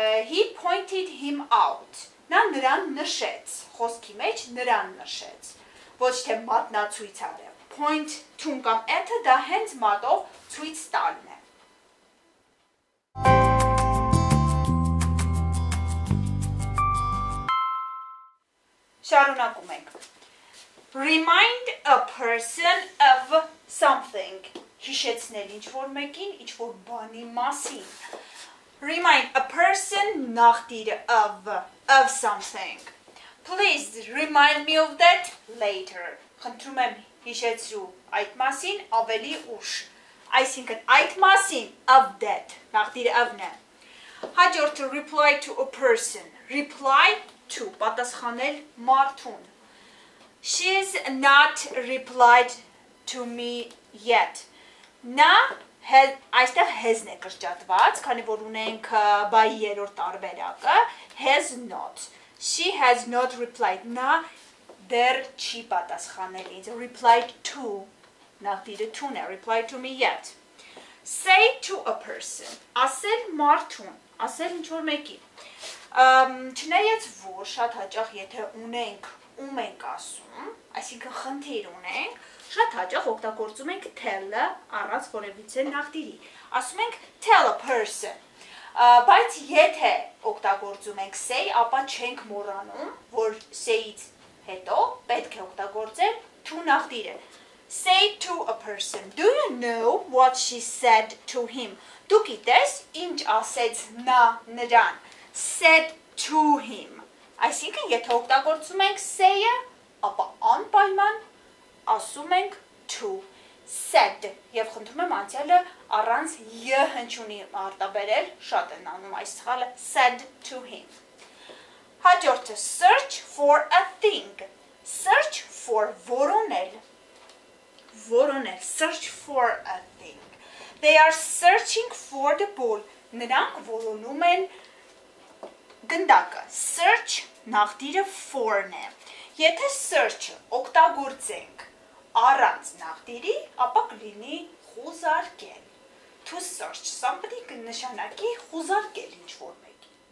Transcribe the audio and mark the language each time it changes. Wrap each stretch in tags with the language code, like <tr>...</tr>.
<en>He pointed him out,</en> <hy>նա նրան նշեց խոսքի մեջ, նրան նշեց, ոչ թե մատնացույց արել։ Point to-ն կամ at-ը դա հենց մատով ցույց տալն է։ Շարունակում ենք։</hy> <en>Remind a person of something.</en> <hy>Հիշեցնել ինչ-որ մեկին, ինչ-որ բանի մասին։ Remind a person նախտիրը of something.</hy> <en>Please remind me of that later.</en> <hy>Խնդրում եմ հիշեցրու այդ մասին ավելի ուշ։ Այսինքն այդ մասին of that նախտիրը of-ն է։ Հաջորդ reply to a person.</hy> <en>Reply to</en> <hy>պատասխանել մարդուն։</hy> <en>She's not replied to me yet.</en> <hy>Նա այստեղ has-ն է կրճատված, քանի որ ունենք by-ի երրորդ տարբերակը, has not.</hy> <en>She has not replied.</en> <hy>Նա դեռ չի պատասխանել ինձ.</hy> <en>Replied to.</en> <hy>Նա դիտի to-ն է, replied to me yet.</hy> <en>Say to a person.</en> <hy>Ասել մարդուն, ասել ինչ-որ մեկի։ Չնայած որ շատ հաճախ եթե ունենք ում ենք ասում, այսինքն խնդիր ունենք, շատ հաճախ օգտագործում ենք tell-ը առանց որևիցե նախտիրի։ Ասում ենք tell a person։ Բայց եթե օգտագործում ենք say, ապա չենք մոռանում, որ say-ից հետո պետք է օգտագործել to նախտիրը։</hy> <en>Say to a person. Do you know what she said to him?</en> <hy>Դու գիտես ինչ ասեց նա նրան։</hy> <en>Said to him.</en> <hy>Այսինքն եթե օգտագործում ենք say-ը, ապա անպայման ասում ենք to, said, եւ խնդրում եմ անցյալը առանց y հնչյունի արտաբերել, շատ են անում այս սխալը, said to him. Հաջորդը search for a thing. Search for որոնել.</hy> <en>Որոնել, search for a thing. They are searching for the ball.</en> <hy>Նրանք որոնում են գնդակը. Search նախտիրը for-ն է։ Եթե search-ը օգտագործենք առանց նախտիրի, ապա կլինի խուզարկել։ To search somebody կնշանակի խուզարկել ինչ-որ մեկին։</hy>